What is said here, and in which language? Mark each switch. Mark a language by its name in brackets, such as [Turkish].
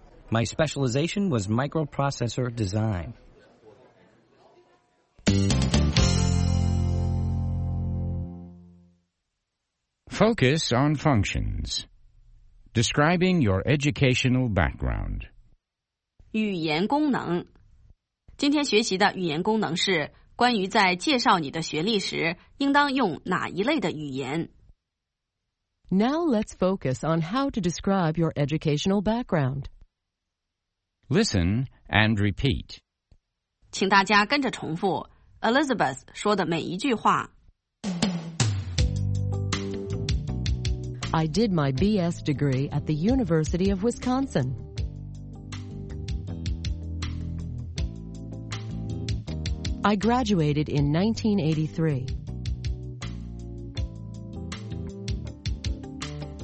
[English] My specialization was microprocessor design. Focus on functions. Describing your educational background. [Chinese] 语言功能。今天学习的语言功能是关于在介绍你的学历时应当用哪一类的语言。 [English] Now let's focus on how to describe your educational background. Listen and repeat. [Chinese] 请大家跟着重复 Elizabeth 说的每一句话。 [English] I did my BS degree at the University of Wisconsin. I graduated in 1983.